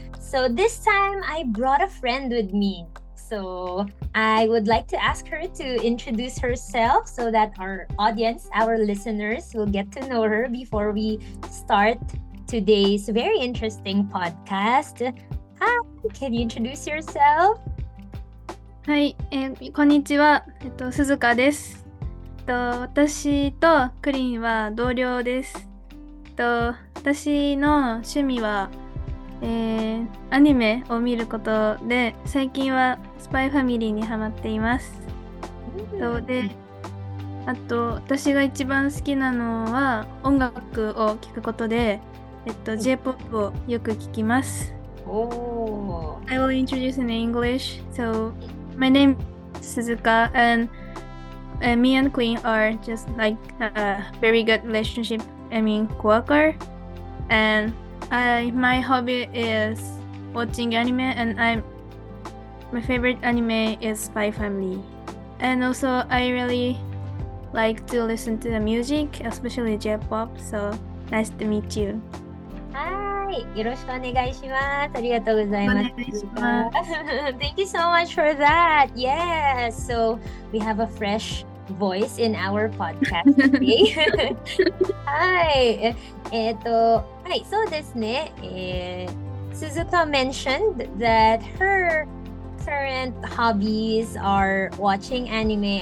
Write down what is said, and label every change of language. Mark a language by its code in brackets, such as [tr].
[en] So, this time I brought a friend with me. So, I would like to ask her to introduce herself so that our audience, our listeners, will get to know her before we start today's very interesting podcast. Hi, can you introduce yourself? [ja] はい、こんにちは、鈴鹿です。私とクリンは同僚です。私の趣味は、アニメを見ることで、最近はスパイファミリーにハマっています。で、あと私が一番好きなのは音楽を聴くことで、J-pop をよく聴きます。 [en] Oh. I will introduce in English. So,My name is Suzuka, and me and Kring are just like a very good relationship. I mean, coworker. And my hobby is watching anime, and my favorite anime is Spy Family. And also, I really like to listen to the music, especially J-pop. So, nice to meet you. [ja] よろしくお願いします。ありがとうございます。お願いします。 [en] Thank you so much for that. Yes. So we have a fresh voice in our podcast today. Hi. Hi. So ですね、Suzuka mentioned that her current hobbies are watching anime.